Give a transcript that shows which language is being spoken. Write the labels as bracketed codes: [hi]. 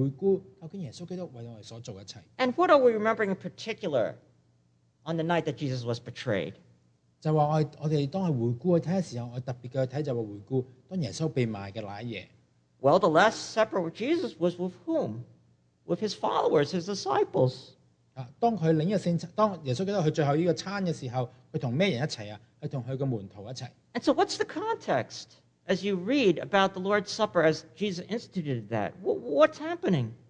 [zh] 所以我们当领了圣餐的时候，我们不只是单是看将来以后，我们都需要看回顾究竟耶稣基督为我们所做的一切。 [en] And what are we remembering in particular? On the night that Jesus was betrayed. [zh] 就是说我们当是回顾的时候,我们特别的看就是回顾当耶稣被卖的那一夜。 [en] Well, the last supper with Jesus was with whom? With his followers, his disciples. [zh] 当耶稣基督去最后这个餐的时候,他跟什么人一起? 他跟他的门徒一起。 [en] And so what's the context? As you read about the Lord's Supper as Jesus instituted that, what's happening?